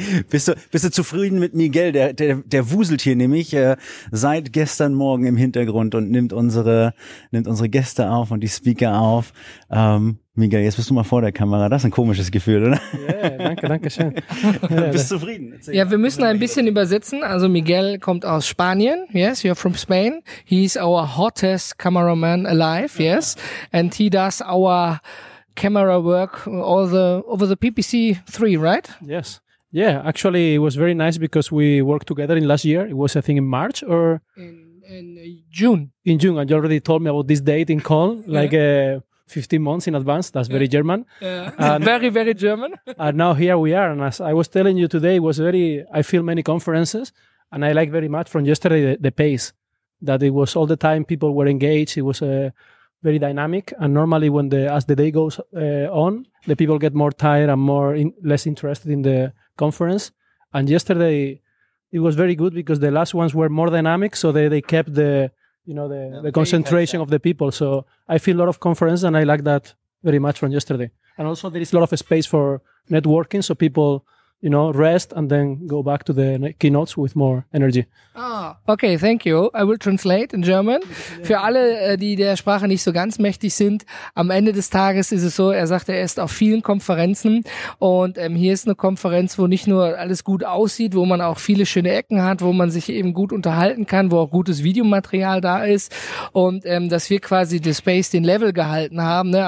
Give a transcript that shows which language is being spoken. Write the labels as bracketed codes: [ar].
[de] Bist du zufrieden mit Miguel? Der wuselt hier nämlich seit gestern Morgen im Hintergrund und nimmt unsere Gäste auf und die Speaker auf. Miguel, jetzt bist du mal vor der Kamera. Das ist ein komisches Gefühl, oder? Ja, danke schön. Bist du zufrieden? Ja, wir müssen ein bisschen übersetzen. Also Miguel kommt aus Spanien. [en] Yes, you're from Spain. He's our hottest cameraman alive. Yes, and he does our camera work over the PPC 3, right? Yes. Yeah, actually, it was very nice because we worked together in last year. It was, I think, in March or... In June. In June. And you already told me about this date in Köln, like 15 months in advance. That's very German. Yeah. And very, very German. And now here we are. And as I was telling you today, it was very... I feel many conferences and I like very much from yesterday the pace that it was all the time people were engaged. It was very dynamic. And normally when as the day goes on, the people get more tired and less interested in the conference. And yesterday it was very good because the last ones were more dynamic, so they kept the concentration of the people. So I feel a lot of conference and I like that very much from yesterday. And also there is a lot of space for networking, so people you know, rest and then go back to the keynotes with more energy. Ah, okay, thank you. I will translate in German. [de] Für alle, die der Sprache nicht so ganz mächtig sind, am Ende des Tages ist es so, er sagt, er ist auf vielen Konferenzen und hier ist eine Konferenz, wo nicht nur alles gut aussieht, wo man auch viele schöne Ecken hat, wo man sich eben gut unterhalten kann, wo auch gutes Videomaterial da ist und dass wir quasi den Space, den Level gehalten haben. Ne?